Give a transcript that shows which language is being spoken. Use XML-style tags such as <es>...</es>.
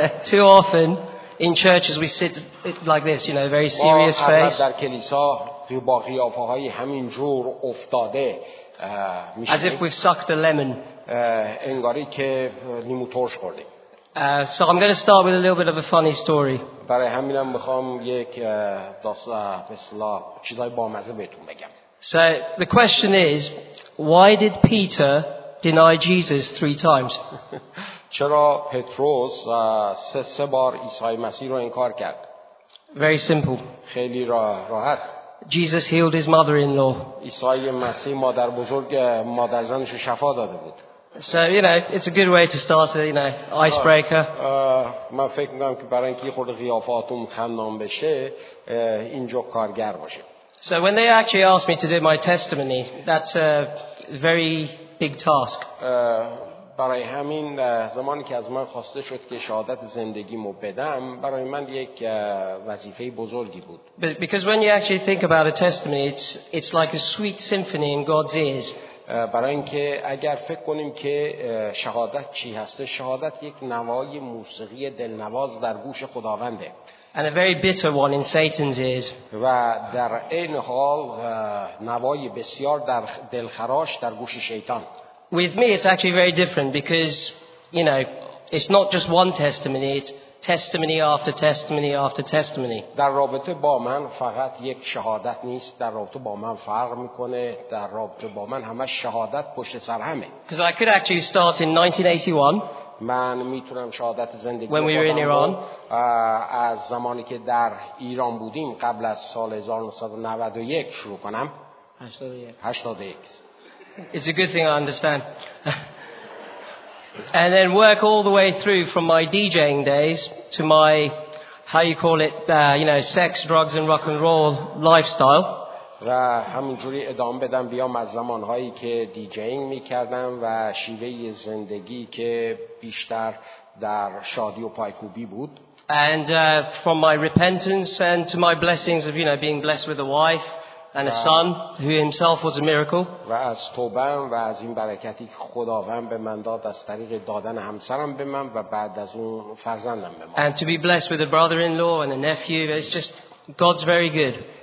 <en>Too often in churches we sit like this, you know, very serious face.</en> <fa>در کلیسا با قیافه‌های همین جور افتاده میشه.</fa> <en>As if we've sucked a lemon.</en> <fa>انگاری که لیمو ترش خوردیم.</fa> <en>So I'm going to start with a little bit of a funny story.</en> <fa>برای همینم میخوام یک داستان مثلا چیزای بامزه بهتون بگم.</fa> <en>So the question is, why did Peter deny Jesus three times?</en> <fa>چرا پتروس سه بار عیسی مسیح رو انکار کرد؟</fa> <en>Very simple.</en> <fa>خیلی راحت.</fa> <en>Jesus healed his mother-in-law.</en> <fa>عیسی مسیح مادر بزرگ مادر زنش رو شفا داده بود.</fa> <en>So you know, it's a good way to start, you know, icebreaker.</en> <fa>من فکر می‌کنم که برای اینکه خود قیافاتون خندان بشه، اینجا کارگر باشه.</fa> <en>So when they actually asked me to do my testimony, that's a very big task.</en> <fa>برای همین زمانی که از من خواسته شد که شهادت زندگیمو بدم، برای من یک وظیفه بزرگی بود.</fa> <en>Because when you actually think about a testimony, it's like a sweet symphony in God's ears.</en> <fa>برای اینکه اگر فکر کنیم که شهادت چی هست، شهادت یک نوای موسیقی دلنواز در گوش خداونده.</fa> <en>And a very bitter one in Satan's ears.</en> <fa>و در این حال نوای بسیار در دلخراش در گوش شیطان.</fa> <en>With me it's actually very different because you know it's not just one testimony, it's testimony after testimony after testimony.</en> <fa>در رابطه با من فقط یک شهادت نیست، در رابطه با من فرق میکنه، در رابطه با من همه شهادت پشت سر همه.</fa> <en>Because I could actually start in 1981.</en> <fa>من میتونم شهادت زندگی</fa> <en>when we were in Iran.</en> <fa>از زمانی که در ایران بودیم قبل از سال 1991 شروع کنم.</fa> <en>81. It's a good thing I understand. And then work all the way through from my DJing days to my, how you call it, sex, drugs and rock and roll lifestyle.</en> <fa>و همینجوری ادامه بدم بیام از زمانهایی که دیجینگ میکردم و شیوه زندگی که بیشتر در شادی و پایکوبی بود.</fa> <en>And from my repentance and to my blessings of, you know, being blessed with a wife. And a son who himself was a miracle.</en> <fa>و از توبه‌ام و از این برکتی که خداوند به من داد از طریق دادن همسرم به من و بعد از اون فرزندم به من.</fa> <en>And to be blessed with a brother-in-law and a nephew, it's just God's very good.</en>